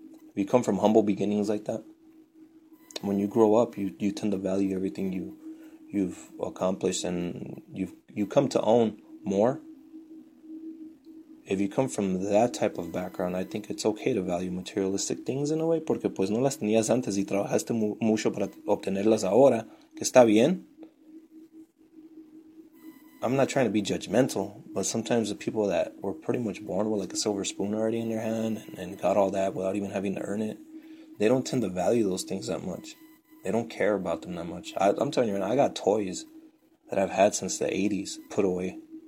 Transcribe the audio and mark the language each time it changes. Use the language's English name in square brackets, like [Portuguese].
[English] If you come from humble beginnings like that, when you grow up, you tend to value everything you've accomplished. And you come to own more. If you come from that type of background, I think it's okay to value materialistic things in a way. [Spanish] Porque pues no las tenías antes y trabajaste mucho para obtenerlas ahora. Que está bien. [English] I'm not trying to be judgmental, but sometimes the people that were pretty much born with like a silver spoon already in their hand and got all that without even having to earn it, they don't tend to value those things that much. They don't care about them that much. I'm telling you, I got toys that I've had since the 80s put away.